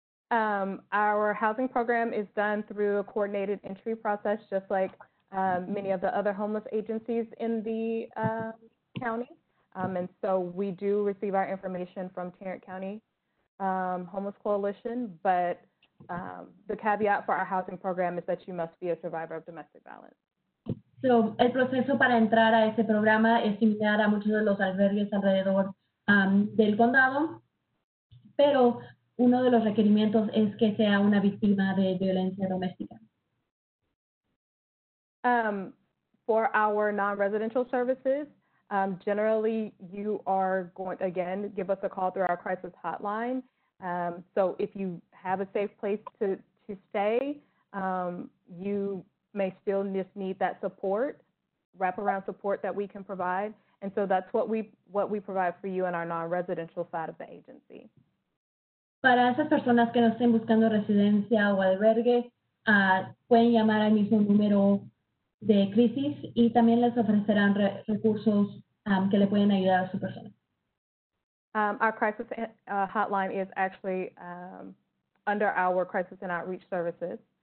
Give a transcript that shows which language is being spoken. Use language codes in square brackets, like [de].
[en] Our housing program is done through a coordinated entry process, just like many of the other homeless agencies in the county. And so we do receive our information from Tarrant County Homeless Coalition, but the caveat for our housing program is that you must be a survivor of domestic violence. [es] So el proceso para entrar a este programa es similar a muchos de los albergues alrededor del condado, pero uno de los requerimientos es que sea una víctima de violencia doméstica. [en] For our non-residential services, generally you are going, again, give us a call through our crisis hotline. So if you have a safe place to stay, you may still just need that support, wraparound support that we can provide. And so that's what we provide for you in our non-residential side of the agency. [es] Para esas personas que no estén buscando residencia o albergue, pueden llamar al mismo número de crisis y también les ofrecerán recursos que le pueden ayudar a su persona. [en] Our crisis hotline is actually under our crisis and outreach services.